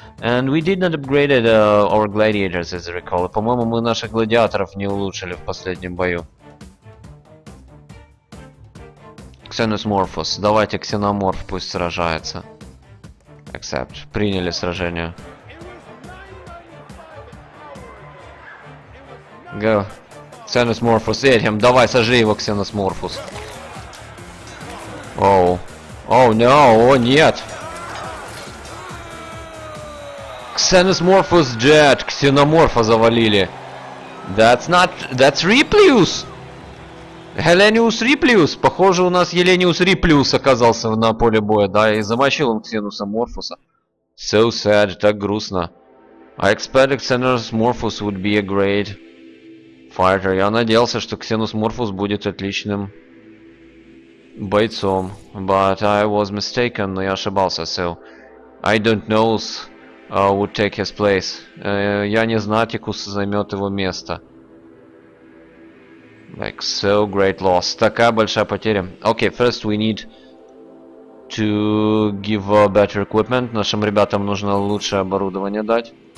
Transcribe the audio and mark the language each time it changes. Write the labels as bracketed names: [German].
[English] And we did not upgrade our gladiators, as I recall. [Russian] По-моему, мы наших гладиаторов не улучшили в последнем бою. Ксеноморфус. Давайте ксеноморф пусть сражается. [English] Accept. [Russian] Приняли сражение. [English] Go. [Russian] Ксенос Морфус, этим. Давай, сожри его, Ксенос Морфус. Оу. Оу, ноу, о, нет. Ксенос Морфус [English] dead. [Russian] Ксеноморфа завалили. [English] That's not... That's Риплиус. Хелениус Риплиус. [Russian] Похоже, у нас Хелениус Риплиус оказался на поле боя, да, и замочил он Ксеноса Морфуса. [English] So sad, [Russian] так грустно. [English] I expected Xenos Morphus would be a great fighter. [Russian] Я надеялся, что Xenos Morphus будет отличным бойцом. [English] But I was mistaken, [Russian] но я ошибался, [English] so I don't know who would take his place. [Russian] Я не знатикус займет его место. [English] Like so great loss. [Russian] Такая большая потеря. [English] Okay, first we need to give better equipment. [Russian] Нашим ребятам нужно лучшее оборудование дать.